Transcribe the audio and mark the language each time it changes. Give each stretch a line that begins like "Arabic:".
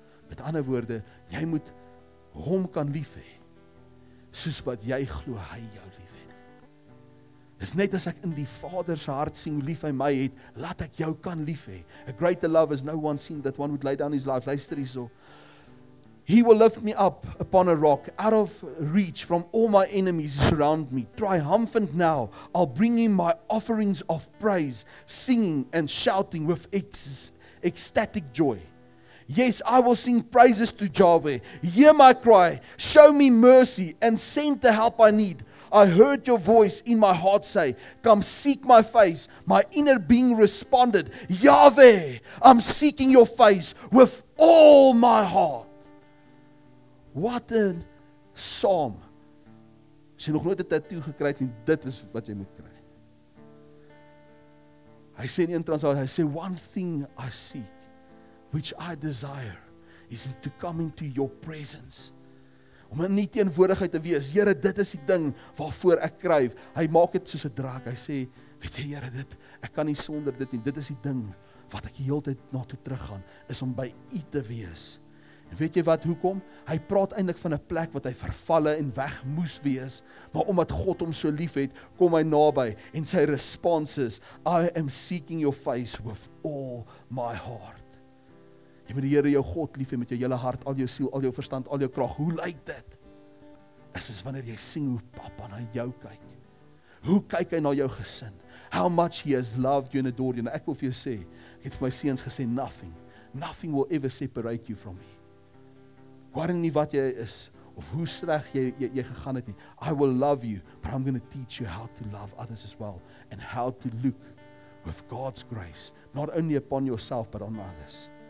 Afrikaans: Met ander woorde, jy moet Hom kan lief hê soos wat jy glo Hy jou lief het. Dis net as ek in die Vader se hart sien hoe lief Hy my het, laat ek jou kan lief hê.
English: A greater love is no one seen that one would lay down his life.
Afrikaans: Luister hierso.
English: He will lift me up upon a rock, out of reach from all my enemies who surround me. Triumphant now, I'll bring him my offerings of praise, singing and shouting with ecstatic joy. Yes, I will sing praises to Yahweh. Hear my cry, show me mercy, and send the help I need. I heard your voice in my heart say, come seek my face. My inner being responded, Yahweh, I'm seeking your face with all my heart.
Afrikaans: Wat 'n psalm. As jy nog nooit 'n tattoo gekry het, dit is wat jy moet kry. Hy sê in 'n translasie, hy sê,
English: one thing I seek, which I desire, is to come into your presence.
Afrikaans: Om in die teenwoordigheid te wees, Here, dit is die ding waarvoor ek kryf. Hy maak dit soos 'n draak. Hy sê, weet jy Here, dit, ek kan nie sonder dit nie. Dit is die ding wat ek die hele tyd na toe teruggaan, is om by U te wees. Weet jy wat, hoekom? Hy praat eintlik van 'n plek wat hy vervalle en weg moes wees, maar omdat God hom so lief het, kom hy naby en sy respons is,
English: I am seeking your face with all my heart.
Afrikaans: Jy moet die Here jou God lief hê met jou hele hart, al jou siel, al jou verstand, al jou krag. Hoe lyk dit? Is dit wanneer jy sing hoe Papa na jou kyk? Hoe kyk hy na jou gesin?
English: How much he has loved you and adored you.
Afrikaans: En ek wil vir jou sê, ek het vir my seuns gesê,
English: nothing will ever separate you from me.
Afrikaans: Waar nie wat jy is, of hoe sleg jy gegaan het nie.
English: I will love you, but I'm going to teach you how to love others as well, and how to look with God's grace, not only upon yourself, but on others.